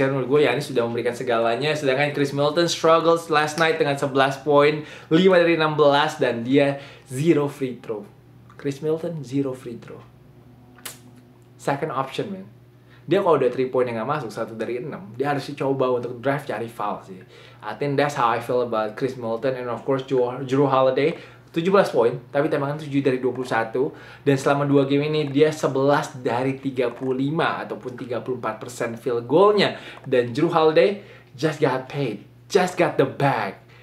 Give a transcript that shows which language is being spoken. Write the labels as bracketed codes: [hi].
[id] Karena menurut gue Giannis sudah memberikan segalanya. Sedangkan Chris Middleton [en] struggles last night [id] dengan 11 poin, 5 dari 16, dan dia 0 free throw. [en] Chris Middleton 0 free throw. Second option man. [id] Dia kalau udah 3 poin yang gak masuk, 1 dari 6, dia harusnya coba untuk drive cari foul sih. [en] I think that's how I feel about Chris Middleton. And of course [id] Jrue Holiday 17 poin, tapi tembakan 7 dari 21. Dan selama 2 game ini dia 11 dari 35 ataupun 34% field goal-nya. Dan [en] Jrue Holiday just got paid, just got the bag.